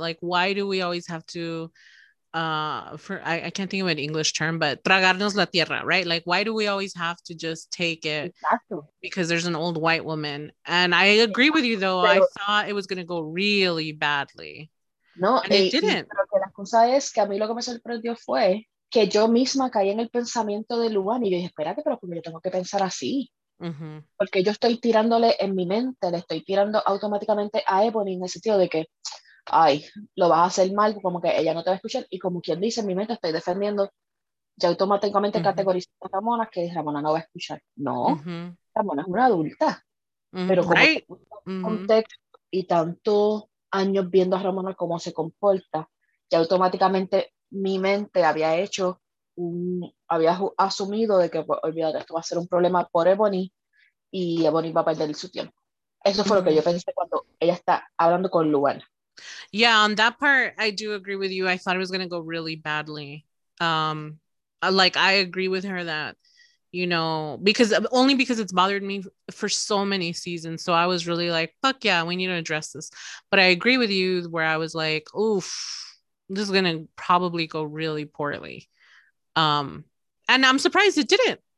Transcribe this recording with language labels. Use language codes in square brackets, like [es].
[en] Like, why do we always have to I can't think of an English term, but [es] tragarnos la tierra, [en] right? Like, why do we always have to just take it Exactly. because there's an old white woman? And I agree with you though. I [es] Pero [en] thought it was going to go really badly, [es] no, [en] and it [es] y [en] didn't. [es] creo que la cosa es que a mí lo que me sorprendió fue que yo misma caí en el pensamiento de Luan y yo dije, espérate, pero yo tengo que pensar así. Porque yo estoy tirándole en mi mente, le estoy tirando automáticamente a Ebony en el sentido de que, ay, lo vas a hacer mal, como que ella no te va a escuchar. Y como quien dice, en mi mente estoy defendiendo. Ya automáticamente categorizo a Ramona que Ramona no va a escuchar. No, Ramona es una adulta, pero como [en] Right. [es] tengo contexto y tantos años viendo a Ramona cómo se comporta, ya automáticamente mi mente había hecho un, había asumido de que, pues, olvídate, esto va a ser un problema por Ebony y Ebony va a perder su tiempo. Eso fue lo que yo pensé cuando ella está hablando con Luana. [en] Yeah, on that part, I do agree with you. I thought it was gonna go really badly. Like, I agree with her that, because only because it's bothered me for so many seasons. So I was really like, fuck yeah, we need to address this. But I agree with you where I was like, oof, this is gonna probably go really poorly. And I'm surprised it didn't.